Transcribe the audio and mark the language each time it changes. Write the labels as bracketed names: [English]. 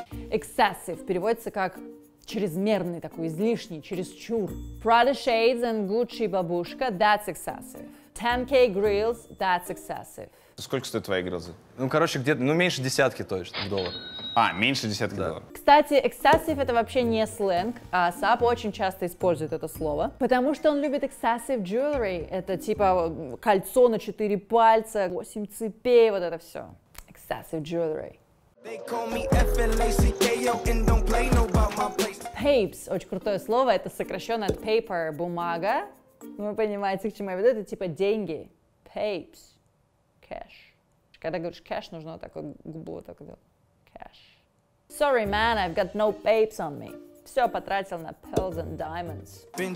[Russian] Excessive переводится как чрезмерный такой, излишний, чересчур. [English] Prada shades and Gucci бабушка, that's excessive. 10K grills, that's excessive. [Russian] Сколько стоят твои грилзы? Ну, короче, где-то, ну, меньше десятки точно в доллар. А, меньше десятки да. Долларов. Кстати, excessive — это вообще не сленг, а Асап очень часто использует это слово, потому что он любит [English] excessive jewelry. [Russian] Это типа кольцо на 4 пальца, 8 цепей, вот это все. [English] Excessive jewelry. They call me F-L-A-C-K-O and don't play no about my place. [Russian] Papes — очень крутое слово, это сокращенно от paper — бумага. Вы понимаете, к чему я веду? Это типа деньги. [English] Papes. Cash. [Russian] Когда говоришь cash, нужно вот так вот губу вот так вот. [English] Cash. Sorry, man, I've got no papes on me. [Russian] Все потратил на [English] pearls and diamonds.